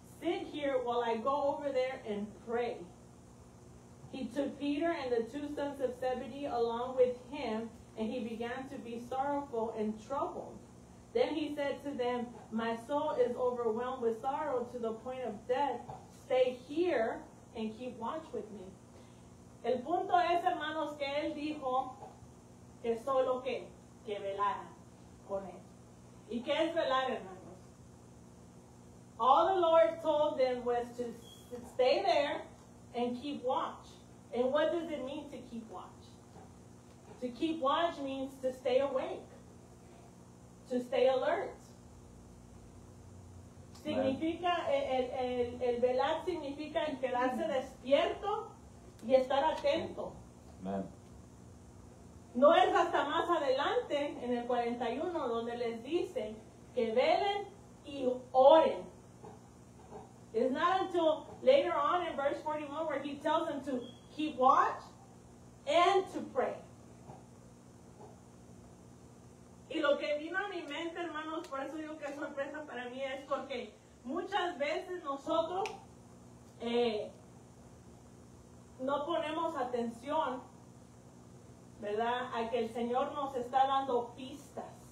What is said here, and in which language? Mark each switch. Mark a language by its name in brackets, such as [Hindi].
[English] sit here while I go over there and pray. He took Peter and the two sons of Zebedee along with him, and he began to be sorrowful and troubled. Then he said to them, my soul is overwhelmed with sorrow to the point of death. Stay here and keep watch with me. [Spanish] El punto es, hermanos, que él dijo que solo que velara con él. ¿Y qué es velar, hermanos? [English] All the Lord told them was to stay there and keep watch. And what does it mean to keep watch? To keep watch means to stay awake, to stay alert. [Spanish] Significa, el velar significa en quedarse despierto y estar atento. Amen. No es hasta más adelante, en el 41, donde les dice que velen y oren. [English] It's not until later on in verse 41 where he tells them to keep watch and to pray. [Spanish] Y lo que vino a mi mente, hermanos, por eso digo que es sorpresa para mí, es porque muchas veces nosotros no ponemos atención, ¿verdad?, a que el Señor nos está dando pistas.